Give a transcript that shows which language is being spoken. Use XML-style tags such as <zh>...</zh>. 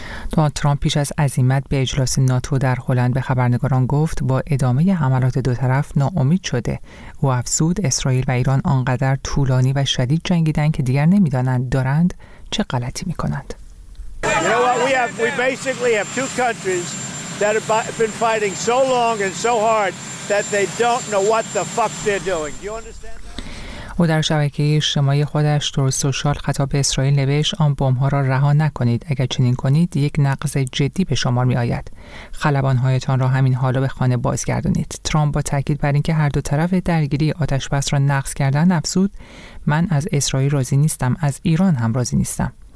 <fa>دونالد ترامپ پیش از عزیمت به اجلاس ناتو در هلند به خبرنگاران گفت با ادامه حملات دو طرف ناامید شده. او افزود اسرائیل و ایران آنقدر طولانی و شدید جنگیدن که دیگر نمی‌دانند دارند چه غلطی می‌کنند.</fa> <en>We basically have two countries that have been fighting so long and so hard that they don't know what the fuck they're doing. You understand?</en> <fa>او در شبکه اجتماعی خودش در سوشال خطاب اسرائیل نوشت آن بمب‌ها را رها نکنید، اگر چنین کنید یک نقض جدی به شمار می‌آید. خلبان‌هایتان را همین حالا به خانه بازگردانید. ترامپ با تاکید بر اینکه هر دو طرف درگیری آتش‌بس را نقض کردن افزود من از اسرائیل راضی نیستم، از ایران هم راضی نیستم.</fa>